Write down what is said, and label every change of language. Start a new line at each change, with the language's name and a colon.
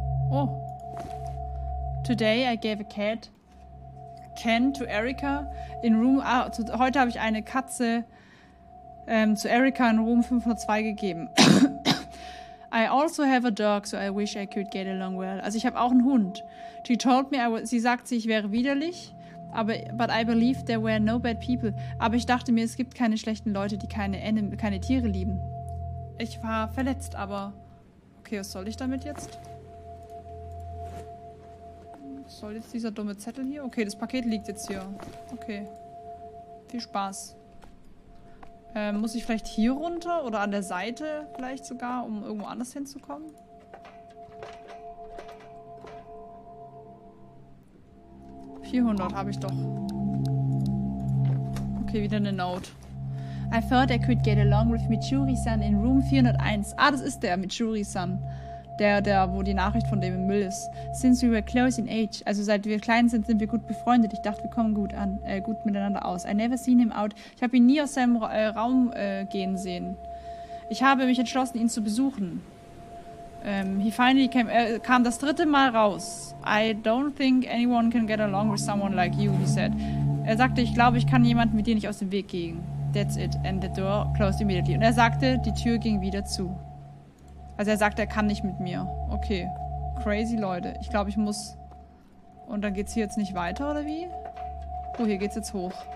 English: Oh. Today I gave a cat Ken to Erica in room...
German: heute habe ich eine Katze zu Erica in room 502 gegeben.
English: I also have a dog, so I wish I could get along well.
German: Also ich habe auch einen Hund.
English: She told me,
German: sie sagte, ich wäre widerlich.
English: Aber but I believed there were no bad people.
German: Aber ich dachte mir, es gibt keine schlechten Leute, die keine Tiere lieben. Ich war verletzt, aber... Okay, was soll ich damit jetzt? Was soll jetzt dieser dumme Zettel hier? Okay, das Paket liegt jetzt hier. Okay. Viel Spaß. Muss ich vielleicht hier runter? Oder an der Seite vielleicht sogar, um irgendwo anders hinzukommen? Habe ich doch.
English: Okay,
German: wieder eine Note.
English: I thought I could get along with Michuri-san in room 401.
German: Ah, das ist der, Michuri-san. Der, wo die Nachricht von dem im Müll ist.
English: Since we were close in age,
German: also seit wir klein sind, sind wir gut befreundet. Ich dachte, wir kommen gut an, gut miteinander aus.
English: I never seen him out.
German: Ich habe ihn nie aus seinem Raum gehen sehen. Ich habe mich entschlossen, ihn zu besuchen.
English: He finally
German: kam das dritte Mal raus.
English: I don't think anyone can get along with someone like you, he said.
German: Er sagte, ich glaube, ich kann jemanden mit dir nicht aus dem Weg gehen.
English: That's it. And the door closed immediately.
German: Und er sagte, die Tür ging wieder zu. Also er sagte, er kann nicht mit mir. Okay. Crazy Leute. Ich glaube, ich muss... Und dann geht's hier jetzt nicht weiter, oder wie? Oh, hier geht's jetzt hoch.